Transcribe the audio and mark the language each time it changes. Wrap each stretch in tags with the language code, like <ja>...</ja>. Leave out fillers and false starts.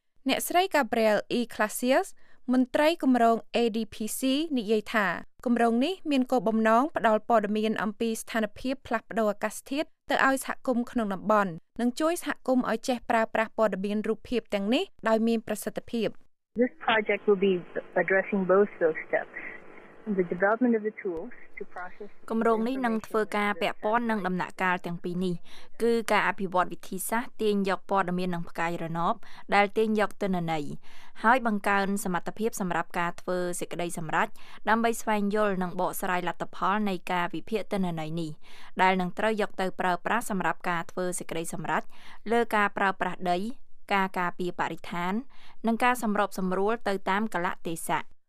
<km>អ្នកស្រី Gabriel Iglesias មន្ត្រីគម្រោង ADPC និយាយថាគម្រោងនេះមានគោលបំណងផ្ដល់ព័ត៌មានអំពីស្ថានភាពផ្លាស់ប្ដូរអាកាសធាតុទៅឲ្យសហគមន៍ក្នុងតំបន់នឹងជួយសហគមន៍ឲ្យចេះប្រើប្រាស់ព័ត៌មានរូបភាពទាំងនេះដោយមានប្រសិទ្ធភាព</km> <en>This project will be addressing both those steps. The development of the tools to process.</en> <km>គម្រោងនេះនឹងធ្វើការពាក់ព័ន្ធនឹងដំណាក់កាលទាំងពីរនេះគឺការអភិវឌ្ឍវិធីសាស្ត្រទាញយកព័ត៌មាននិងផ្កាយរណបដែលទាញយកទិន្នន័យហើយបង្កើនសមត្ថភាពសម្រាប់ការធ្វើសេចក្តីសម្រេចដើម្បីស្វែងយល់និងបកស្រាយលទ្ធផលនៃការវិភាគទិន្នន័យនេះដែលនឹងត្រូវយកទៅប្រើប្រាស់សម្រាប់ការធ្វើសេចក្តីសម្រេចលើការប្រើប្រាស់ដីការការពារបរិស្ថាននិងការសម្របសម្រួលទៅតាមកលទេសៈ</km>